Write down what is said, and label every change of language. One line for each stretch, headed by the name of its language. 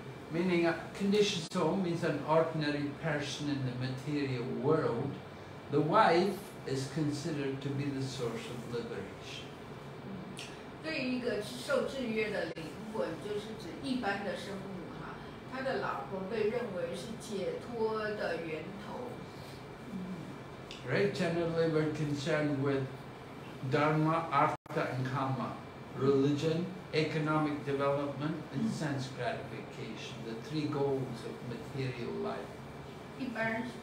English: meaning a conditioned soul means an ordinary person in the material world, the wife is considered to be the source of liberation.
Chinese: 对于一个受制约的灵魂，就是指一般的生物哈，他的老婆被认为是解脱的源头。
English: Right, generally we're concerned with dharma, artha and kama, religion, economic development and sense gratification, the three goals of material life.